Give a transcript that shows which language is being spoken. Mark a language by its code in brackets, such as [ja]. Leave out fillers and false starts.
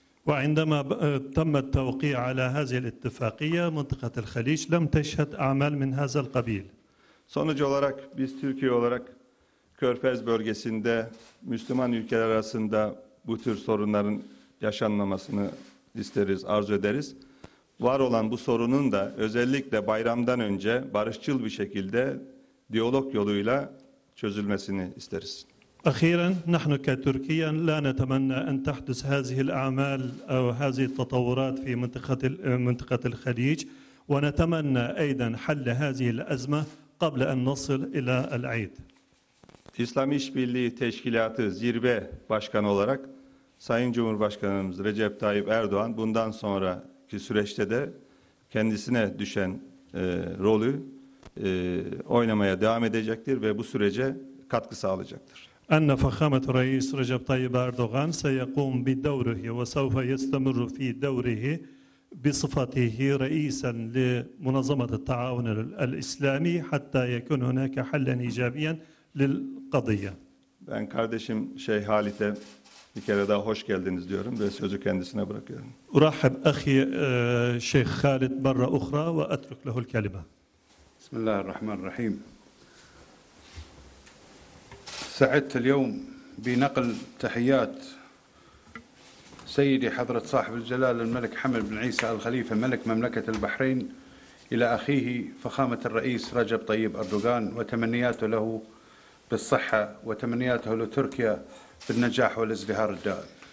[ar] وعندما تم التوقيع على هذه الاتفاقية منطقة الخليج لم تشهد أعمال من هذا القبيل. [tr] Sonuç olarak biz Türkiye olarak Körfez bölgesinde Müslüman ülkeler arasında bu tür sorunların yaşanmamasını isteriz, arzu ederiz. Var olan bu sorunun da özellikle bayramdan önce barışçıl bir şekilde diyalog yoluyla çözülmesini isteriz. [ar] Akhiren, نحن كتركيا لا نتمنى أن تحدث هذه الأعمال أو هذه التطورات في منطقة الخليج ونتمنى أيضا حل هذه الأزمة قبل أن نصل إلى العيد. [tr] İslam İşbirliği Teşkilatı Zirve Başkanı olarak Sayın Cumhurbaşkanımız Recep Tayyip Erdoğan bundan sonraki süreçte de kendisine düşen rolü oynamaya devam edecektir ve bu sürece katkı sağlayacaktır. [ar] أن فخامة الرئيس رجب طيب أردوغان سيقوم بدوره وسوف يستمر في دوره بصفته رئيسا لمنظمة التعاون الإسلامي حتى يكون هناك حلا إيجابيا للقضية. [tr] Ben kardeşim Şeyh Halit'e bir kere daha hoş geldiniz diyorum ve sözü kendisine bırakıyorum. [ar] أرحب أخي شيخ خالد مرة أخرى وأترك له الكلمة. بسم الله الرحمن الرحيم. سعدت اليوم بنقل تحيات سيدي حضرة صاحب الجلالة الملك حمد بن عيسى الخليفة ملك مملكة البحرين إلى أخيه فخامة الرئيس رجب طيب أردوغان وتمنياته له بالصحة وتمنياته لتركيا بالنجاح والازدهار الدائم.